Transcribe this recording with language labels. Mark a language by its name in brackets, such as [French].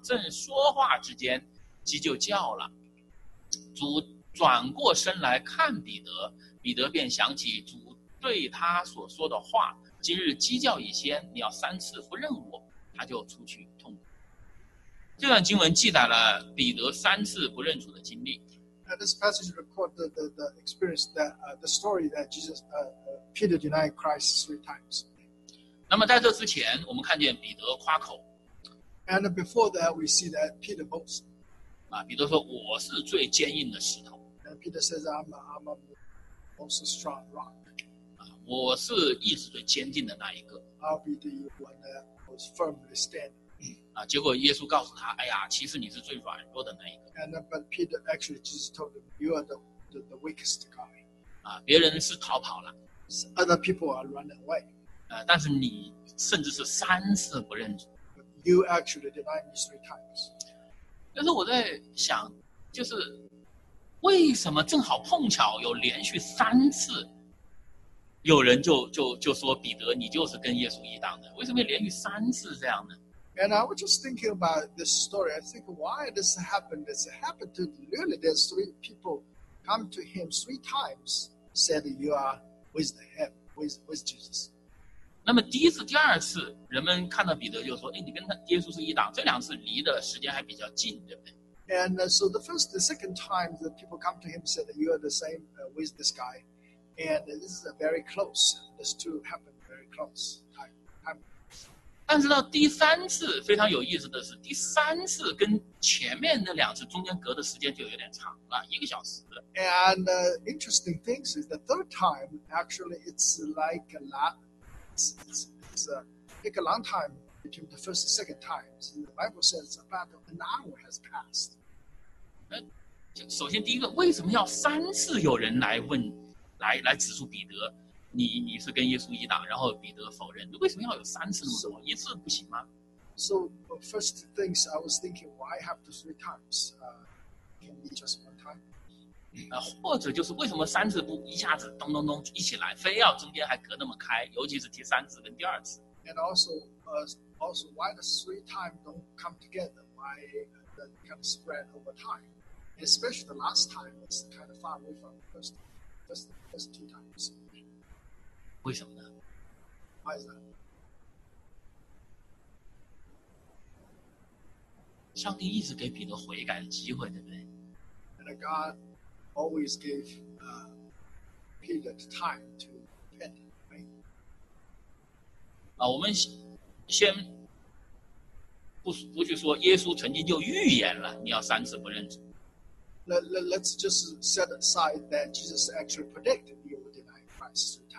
[Chinese] 正说话之间，鸡就叫了。主转过身来看彼得，彼得便想起主对他所说的话，今日鸡叫以前你要三次不认我，他就出去痛苦。这段经文记载了彼得三次不认主的经历。 [English] This passage records the experience that the story that Jesus Peter denied Christ three times. [Chinese] 那么在这之前，我们看见彼得夸口。 [English] And before that, we see that Peter boasts. [Chinese] 彼得说我是最坚硬的石头。 [English] And Peter says I'm a most strong rock. [Chinese] 我是意志最坚定的那一个。 [English] I'll be the one that was firmly standing. [Chinese] 结果耶稣告诉他，哎呀，其实你是最软弱的那一个。 [English] And but Peter actually Jesus told him, you are the weakest guy. [Chinese] 别人是逃跑了。 [English] Other people are running away. [Chinese] 但是你甚至是三次不认主。 [English] But you actually denied me three times. [Chinese] 但是我在想，就是为什么正好碰巧有连续三次有人就说彼得你就是跟耶稣一党的，为什么连续三次这样呢？ [English] And I was just thinking about this story. I think why this happened. This happened to really there's three people come to him three times, said you are with him, with Jesus. [Chinese] 那么第一次、第二次，人们看到彼得就说：“哎，你跟他耶稣是一党。”这两次离的时间还比较近，对不对 [English] ？And so the first, the second time the people come to him said you are the same with this guy, and this is very close. These two happened very close. [Chinese] 但是到第三次非常有意思的是，第三次跟前面那两次中间隔的时间就有点长了，一个小时。 [English] And the interesting thing is the third time actually it's like a lot, it's like a long time between the first and second times. The Bible says about an hour has passed. [Chinese] 首先第一个，为什么要三次有人来问，来指出彼得？你是跟耶稣一党，然后彼得否认，为什么要有三次那么多？一次不行吗 [English] ？So first things I was thinking, why have to three times? Can be just one time. [Chinese] 或者就是为什么三次不一下子咚咚咚一起来，非要中间还隔那么开，尤其是第三次跟第二次 [English] ？And also, also why the three times don't come together? Why the kind of spread over time? Especially the last time is kind of far away from first two times. [Chinese] 为什么呢？为什么？上帝一直给彼得悔改的机会，对不对 [English] ？And God always gave Peter time to repent, right? [Chinese] 我们先不去说，耶稣曾经就预言了，你要三次不认主。 [English] Let's just set aside that Jesus actually predicted you would deny Christ.